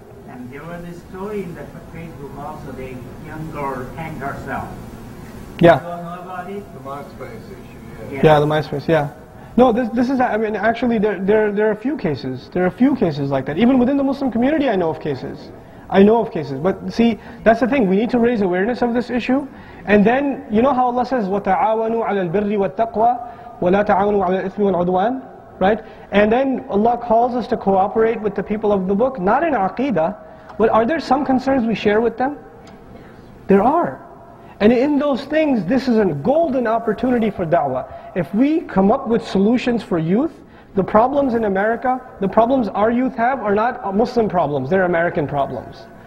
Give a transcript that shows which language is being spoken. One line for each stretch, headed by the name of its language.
English: And there was this story in the Facebook also, the young girl hanged herself. Yeah. Do you know about it? The MySpace issue, yeah. Yeah, the MySpace, yeah. No, this is, I mean, actually, there are a few cases. There are a few cases like that. Even within the Muslim community, I know of cases. I know of cases. But see, that's the thing. We need to raise awareness of this issue. And then, you know how Allah says,
Arabic: وَتَعَاوَنُوا عَلَى الْبِرِّ وَالتَّقْوَى وَلَا تَعَاوَنُوا عَلَى الْإِثْمِ وَالْعُدْوَانِ
English: Right? And then Allah calls us to cooperate with the people of the book, not in aqidah, but are there some concerns we share with them? There are. And in those things, this is a golden opportunity for da'wah. If we come up with solutions for youth, the problems in America, the problems our youth have are not Muslim problems, they're American problems.